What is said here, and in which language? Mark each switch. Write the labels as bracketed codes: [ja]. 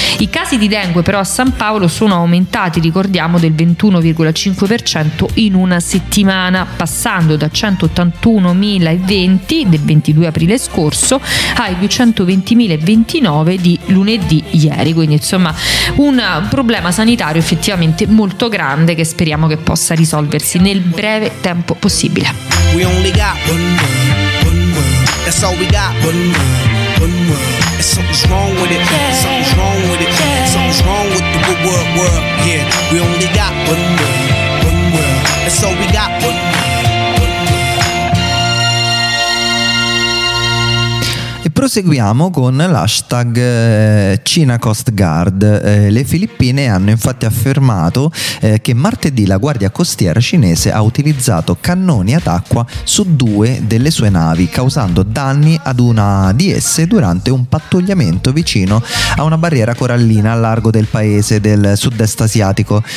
[it] I casi di dengue però a San Paolo sono aumentati, ricordiamo, del 21,5% in una settimana, passando da 181.020 del 22 aprile scorso ai 220.029 di lunedì ieri. Quindi insomma un problema sanitario effettivamente molto grande, che speriamo che possa risolversi nel breve tempo possibile. [en] We only got one word, that's all we got, one word. Something's wrong with it, something's wrong with it, something's wrong with the good world, world, yeah. We only got one word, that's all we got, one word. [it] E Proseguiamo con l'hashtag China Coast Guard. Le Filippine hanno infatti affermato che martedì la guardia costiera cinese ha utilizzato cannoni ad acqua su due delle sue navi, causando danni ad una di esse durante un pattugliamento vicino a una barriera corallina al largo del paese del sud-est asiatico.